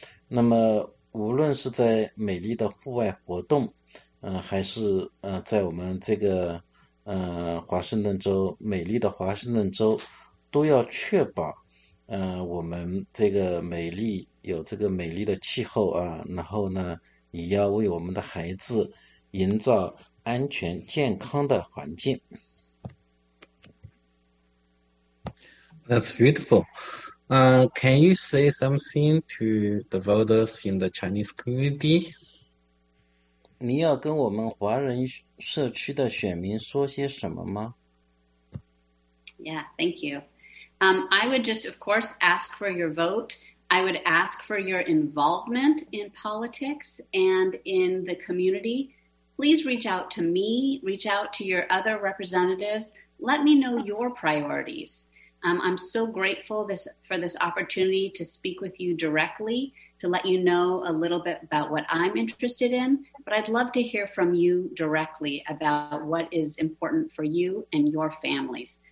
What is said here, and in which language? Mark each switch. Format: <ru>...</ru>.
<zh>那么，无论是在美丽的户外活动，还是在我们这个华盛顿州，美丽的华盛顿州，都要确保，我们这个美丽有这个美丽的气候啊，然后呢，也要为我们的孩子营造安全健康的环境。</zh> <en>That's beautiful. Can you say something to the voters in the Chinese community?</en> <zh>你要跟我们华人社区的选民说些什么吗？</zh> <en>Yeah, thank you. I would just, of course, ask for your vote. I would ask for your involvement in politics and in the community. Please reach out to me, reach out to your other representatives. Let me know your priorities. I'm so grateful for this opportunity to speak with you directly, to let you know a little bit about what I'm interested in, but I'd love to hear from you directly about what is important for you and your families.</en>